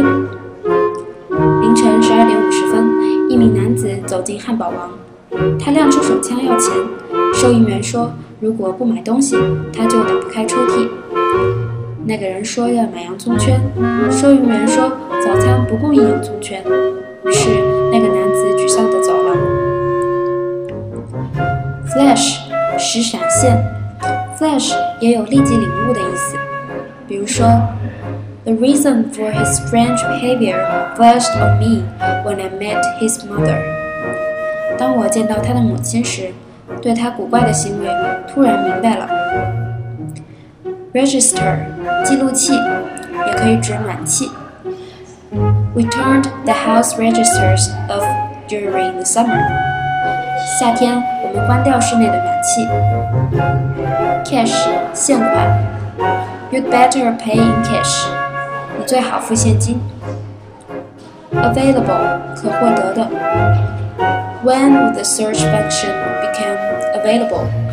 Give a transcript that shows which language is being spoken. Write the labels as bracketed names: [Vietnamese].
[Chinese] 凌晨12:50，一名男子走进汉堡王，他亮出手枪要钱，收银员说如果不买东西，他就打不开抽屉。那个人说要买洋葱圈，收银员说早餐不供应洋葱圈，于是那个男子沮丧地走了。 Flash， 使闪现。 [English] Flash [Chinese] 也有立即领悟的意思，比如说 [English] ，The reason for his strange behavior flashed on me when I met his mother。 [Chinese] 当我见到他的母亲时。对他古怪的行为突然明白了。 Register 记录器也可以指暖气。 [English] We turned the house registers off during the summer. [Chinese] 夏天我们关掉室内的暖气。 [English] Cash [Chinese] 现款。 [English] You'd better pay in cash. [Chinese] 你最好付现金。Available 可获得的。 [English] When would the search function become available?